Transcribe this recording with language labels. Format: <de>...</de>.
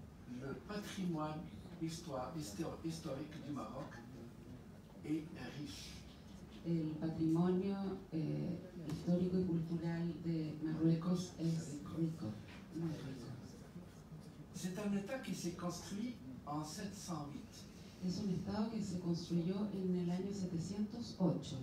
<fr>Le patrimoine historique du Maroc est riche.</fr> <es>Le patrimonio histórico y cultural de Marruecos es rico.</es> <fr>C'est un État qui s'est construit en 708.</fr> <es>Es un estado que se construyó en el año 708.</es>